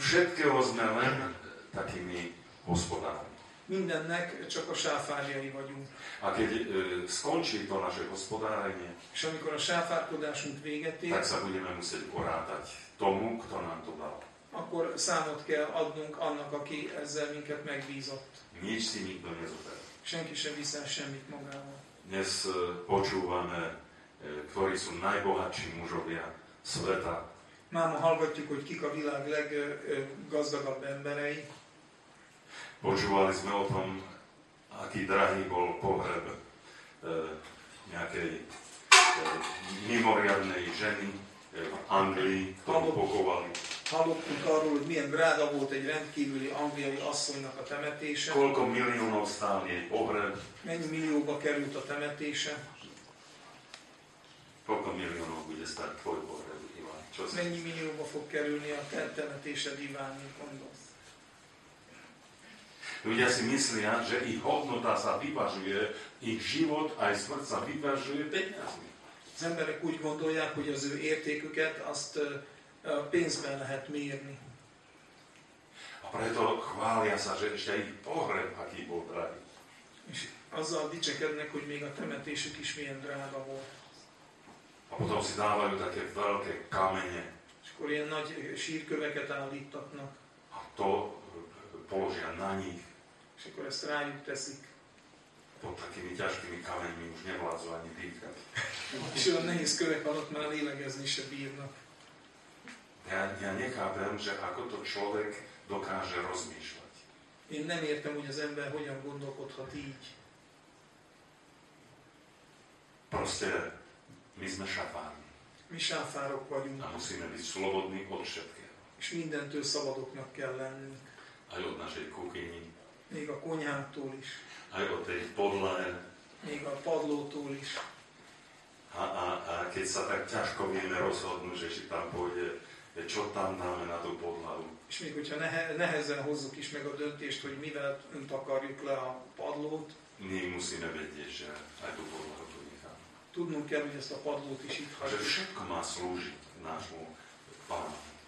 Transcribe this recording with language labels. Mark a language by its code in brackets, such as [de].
[sk] Všetkého sme len takými hospodármi. [hu] Mindennek csak a sáfárjai vagyunk. [sk] A keď skončí to naše hospodárenie, [hu] és amikor a sáfárkodásunk véget ér, [sk] tak sa budeme musieť porátať tomu, kto nám to dal. [hu] Akkor számot kell adnunk annak, aki ezzel minket megbízott. [sk] Nič si nikto nezoberie. [hu] Senki sem viszel semmit magával. [sk] Dnes počúvame, ktorí sú najbohatší mužovia sveta. [hu] Máma hallgatjuk, hogy kik a világ leggazdagabb emberei. [sk] Počúvali sme o tom, aký drahý bol pohreb nejakej mimoriadnej ženy v Anglii, ktorú pochovali. [hu] Hallottunk arról, hogy milyen drága volt egy rendkívüli angliai asszonynak a temetése. [sk] Koľko miliónov stál jej pohreb? [hu] Mennyi millióba került a temetése? [sk] Koľko miliónov bude stáť tvoj pohreb, Iván? [hu] Mennyi millióba fog kerülni a temetése, Iván, gondolsz? [sk] Ľudia si myslia, že ich hodnota sa vyvažuje, ich život aj smrť sa vyvažuje peniazmi. [hu] Az emberek úgy gondolják, hogy az ő értéküket azt pénzben lehet mérni. [sk] A preto chvália sa, že ešte ich pohreb, aký bol drahý. [hu] És azzal dicsekednek, hogy még a temetésük is milyen drága volt. [sk] A potom si dávajú také veľké kamene. [hu] És akkor ilyen nagy sírköveket állítatnak. [sk] A to položia na nich. [hu] És akkor ezt rájuk teszik. [sk] Pod takými ťažkými kameňmi už nevládzu ani dýchať. [hu] És olyan nehéz kövek alatt már lélegezni se bírnak. [sk] Ja nechápem, že ako to človek dokáže rozmýšľať. [hu] Én nem értem, hogy az ember hogyan gondolkodhat így. [sk] Proste, my sme šafárni. [hu] Mi šafárok vagyunk. [sk] A musíme byť slobodní od všetkého. [hu] És mindentől szabadoknak kell lennünk. [sk] Aj od našej kuchyni. [hu] Még a konyhától is. [sk] Aj od tej podlahe. [hu] Még a padlótól is. [sk] A keď sa tak ťažko vieme rozhodnúť, že si tam pôjde, čo tam dáme na tú podlahu. [hu] És még hogyha nehezen hozzuk is meg a döntést, hogy mivel takarjuk le a padlót. [sk] My musíme vedieť, že aj tú podlahu tu necháme. [hu] tudnunk kell, hogy ezt a padlót is itt hagyjuk. [sk] Že všetko má slúžiť nášmu pánu.